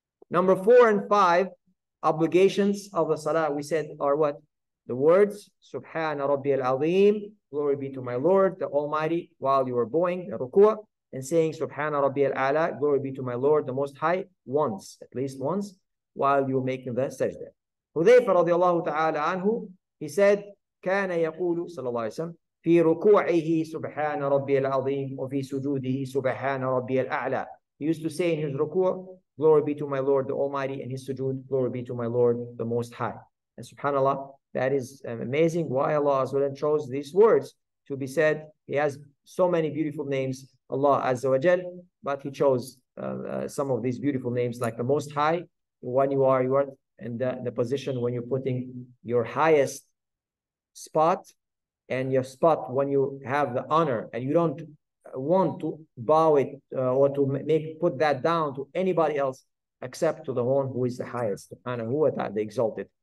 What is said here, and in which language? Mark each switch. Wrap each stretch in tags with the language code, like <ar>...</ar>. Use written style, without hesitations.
<en>Number four and five obligations of the salah, we said, are what? The words,</en> <ar>subhana rabbi al-azim,</ar> <en>glory be to my Lord, the Almighty, while you are bowing, the ruku'ah. And saying</en> <ar>Subhana Rabbi al-A'la,</ar> <en>glory be to my Lord, the Most High, once, at least once, while you're making the sajda. Hudhayfa radiallahu ta'ala anhu, he said,</en> <ar>كان يقول صلى الله عليه وسلم في ركوعه سبحان ربي العظيم وفي سجوده سبحان ربي الأعلى.</ar> <en>He used to say in his ruku', glory be to my Lord, the Almighty, and his sujood, glory be to my Lord, the Most High. And subhanAllah, that is amazing why Allah Azza wa Jalla chose these words to be said. He has so many beautiful names, Allah Azza wa Jal, but he chose some of these beautiful names, like the Most High, when you are in the position when you're putting your highest spot, and your spot when you have the honor, and you don't want to bow it or to put that down to anybody else except to the one who is the highest, the exalted.</en>